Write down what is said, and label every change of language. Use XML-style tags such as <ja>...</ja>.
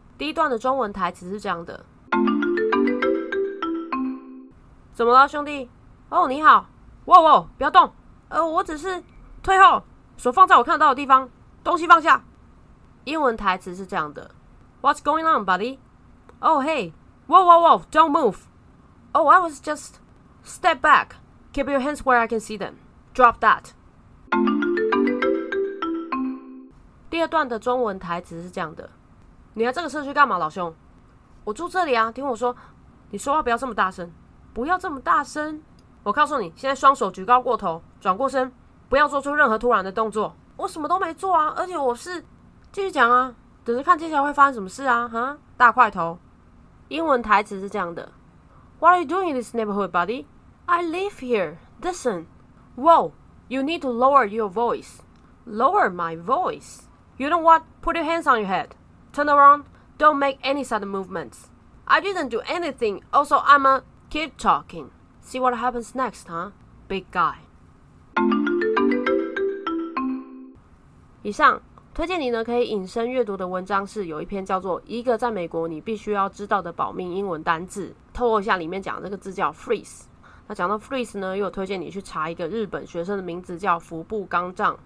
<zh>第一段的中文台词是这样的：怎么了，兄弟？哦，你好。哇哇，不要动。我只是退后。所放在我看得到的地方，东西放下。英文台词是这样的 ：</zh> <en>What's going on, buddy? Oh, hey, whoa, whoa, whoa, don't move. Oh, I was just step back, keep your hands where I can see them. Drop that.</en> <zh>第二段的中文台词是这样的：你来这个社区干嘛，老兄？我住这里啊，听我说，你说话不要这么大声，不要这么大声。我告诉你，现在双手举高过头，转过身。不要做出任何突然的动作。我什么都没做啊，而且我是继续讲啊，等着看接下来会发生什么事啊，哈，大块头。英文台词是这样的</zh> <en>：What are you doing in this neighborhood, buddy? I live here. Listen. Whoa, you need to lower your voice. Lower my voice. You know what? Put your hands on your head. Turn around. Don't make any sudden movements. I didn't do anything. Also, I'm a keep talking. See what happens next, huh? Big guy.</en> <zh>以上推荐你呢，可以引申阅读的文章是有一篇叫做《一个在美国你必须要知道的保命英文单字》，透露一下里面讲的这个字叫 freeze。那讲到 freeze 呢，又有推荐你去查一个日本学生的名字叫服部刚藏。</zh>